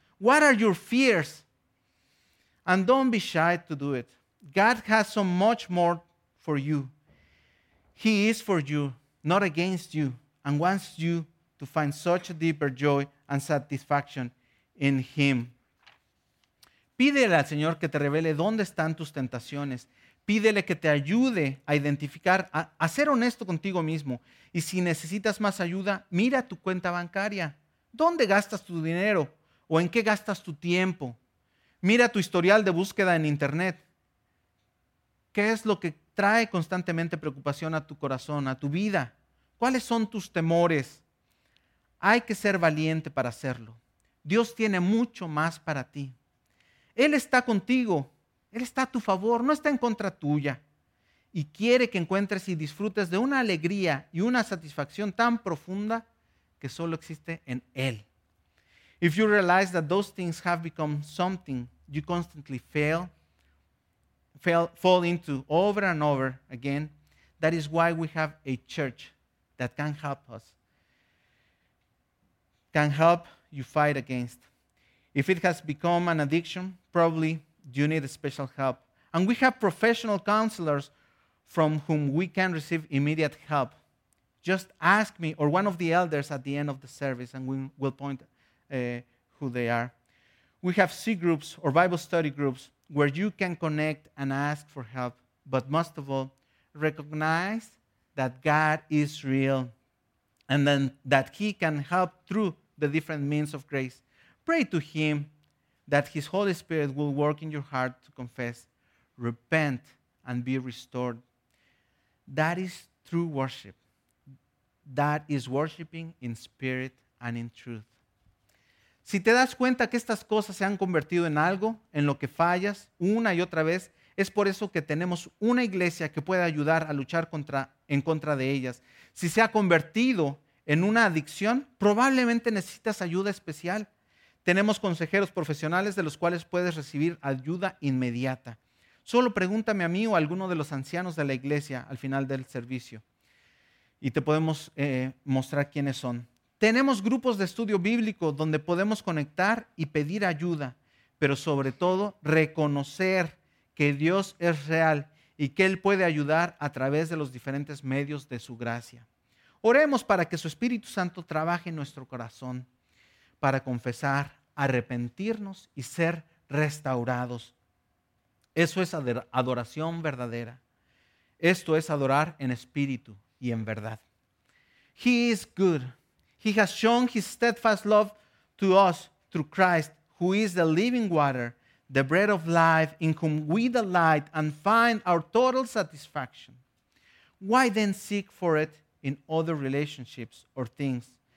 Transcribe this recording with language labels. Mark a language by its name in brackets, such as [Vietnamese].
[English] What are your fears? And don't be shy to do it. God has so much more for you. He is for you, not against you, and wants you to find such a deeper joy and satisfaction in Him. [Spanish] Pídele al Señor que te revele dónde están tus tentaciones. Pídele que te ayude a identificar, a ser honesto contigo mismo. Y si necesitas más ayuda, mira tu cuenta bancaria. ¿Dónde gastas tu dinero? ¿O en qué gastas tu tiempo? Mira tu historial de búsqueda en internet. ¿Qué es lo que trae constantemente preocupación a tu corazón, a tu vida? ¿Cuáles son tus temores? Hay que ser valiente para hacerlo. Dios tiene mucho más para ti. Él está contigo. Él está a tu favor, no está en contra tuya. Y quiere que encuentres y disfrutes de una alegría y una satisfacción tan profunda que solo existe en Él. [English] If you realize that those things have become something you constantly fall into over and over again, that is why we have a church that can help us, can help you fight against. If it has become an addiction, probably you need special help. And we have professional counselors from whom we can receive immediate help. Just ask me or one of the elders at the end of the service and we will point who they are. We have C groups or Bible study groups where you can connect and ask for help. But most of all, recognize that God is real and then that he can help through the different means of grace. Pray to him that his Holy Spirit will work in your heart to confess, repent, and be restored. That is true worship. That is worshiping in spirit and in truth. [Spanish] Si te das cuenta que estas cosas se han convertido en algo, en lo que fallas una y otra vez, es por eso que tenemos una iglesia que puede ayudar a luchar en contra de ellas. Si se ha convertido en una adicción, probablemente necesitas ayuda especial. Tenemos consejeros profesionales de los cuales puedes recibir ayuda inmediata. Solo pregúntame a mí o a alguno de los ancianos de la iglesia al final del servicio y te podemos mostrar quiénes son. Tenemos grupos de estudio bíblico donde podemos conectar y pedir ayuda, pero sobre todo reconocer que Dios es real y que Él puede ayudar a través de los diferentes medios de su gracia. Oremos para que su Espíritu Santo trabaje en nuestro corazón para confesar, arrepentirnos y ser restaurados. Eso es adoración verdadera. Esto es adorar en espíritu y en verdad. [English] He is good. He has shown his steadfast love to us through Christ, who is the living water, the bread of life, in whom we delight and find our total satisfaction. Why then seek for it in other relationships or things?